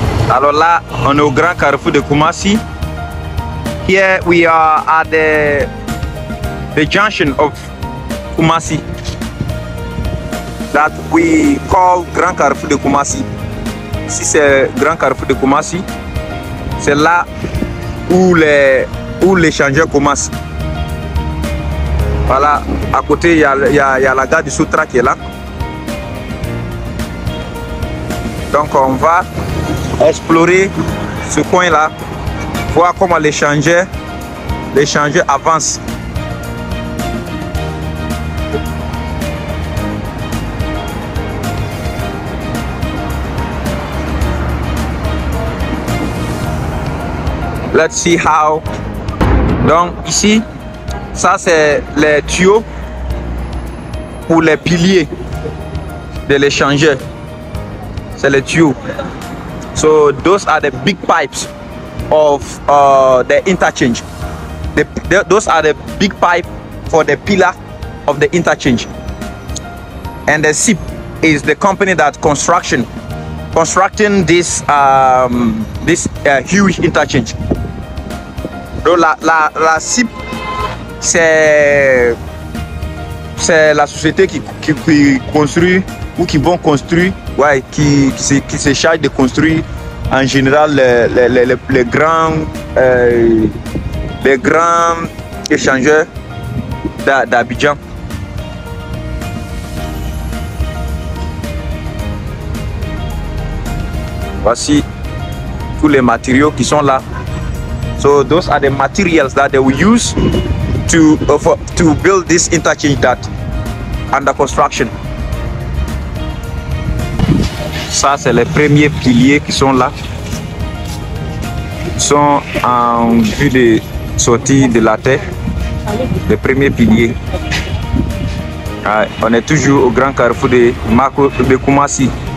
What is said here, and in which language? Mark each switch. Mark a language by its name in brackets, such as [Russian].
[French] Alors là, on est au grand carrefour de Kumasi. [English] Here we are at the junction of Kumasi. That we call [French] grand carrefour de Kumasi. Ici c'est grand carrefour de Kumasi. C'est là où les changeurs commencent. Voilà, à côté il y a la gare du Sutra qui est là. Donc on va explorer ce coin là, voir comment l'échangeur avance. [English] Let's see how. [French] Donc ici, ça c'est les tuyaux pour les piliers de l'échangeur. C'est les tuyaux. [English] So those are the big pipes of the interchange. Those are the big pipe for the pillar of the interchange. And the SIP is the company that constructing this huge interchange. [French] Donc la SIP c'est la société qui construit ou qui vont construire. Ouais, qui se charge de construire en général les grands échangeurs d'Abidjan. Voici tous les matériaux qui sont là. [English] So those are the materials that they will use to build this interchange that under construction. [French] Ça, c'est les premiers piliers qui sont là. Ils sont en vue de sortir de la terre. Les premiers piliers. Ouais, on est toujours au grand carrefour de Marco de Kumasi.